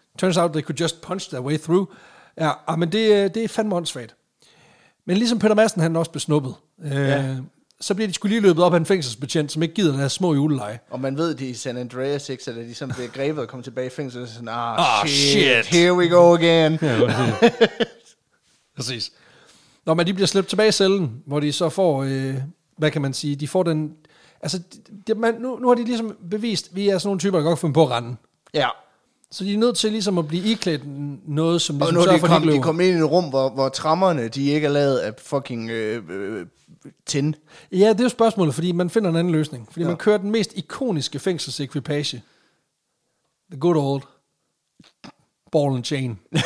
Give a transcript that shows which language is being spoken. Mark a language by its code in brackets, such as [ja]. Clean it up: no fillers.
[en] Turns out, they could just punch their way through. [da] Ja, men det er fandme åndssvagt. Men ligesom Peter Madsen, han også blev snuppet. Så bliver de sgu lige løbet op af en fængselsbetjent, som ikke gider deres små juleleje. Og man ved, at de i San Andreas, ikke, så da de sådan bliver grebet og kommer tilbage i fængsel, så er sådan, shit, [en] here we go again. [da] Præcis. Nå, men de bliver slæbt tilbage i cellen, hvor de så får, hvad kan man sige, de får den, altså, nu har de ligesom bevist, vi er sådan nogle typer, der kan godt finde på at rende. Ja. Så de er nødt til ligesom at blive iklædt noget, som ligesom sørger for, at de løber. Og nu er de kommet ind i et rum, hvor trammerne, de ikke er lavet af fucking tin. Ja, det er jo spørgsmålet, fordi man finder en anden løsning. Fordi man kører den mest ikoniske fængselsekvipage. [en] The good old ball and chain.